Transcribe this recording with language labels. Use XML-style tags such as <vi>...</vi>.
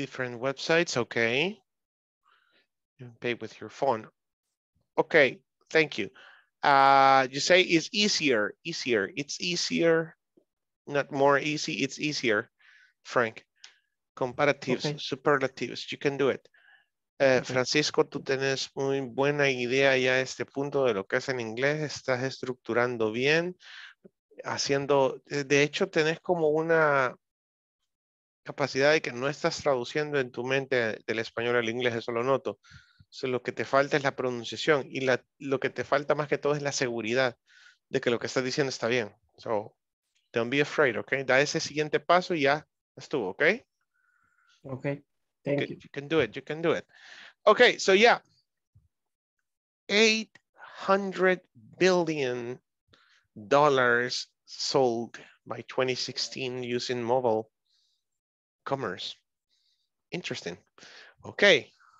<en>different websites, okay. You can pay with your phone. Okay, thank you. You say it's easier. It's easier, not more easy, it's easier, Frank. Comparatives, okay. Superlatives, you can do it.</en> <es>Francisco, tú tienes muy buena idea ya a este punto de lo que es en inglés. Estás estructurando bien, haciendo. De hecho, tenés como una capacidad de que no estás traduciendo en tu mente del español al inglés, eso lo noto. So, lo que te falta es la pronunciación y lo que te falta más que todo es la seguridad de que lo que estás diciendo está bien.</es> <en>So, don't be afraid, ok?</en> <es>Da ese siguiente paso y ya estuvo, ok?</es> <en>Ok. Thank you. You can do it. You can do it. Okay. So yeah, 800 billion dollars sold by 2016 using mobile commerce. Interesting. Okay.</en>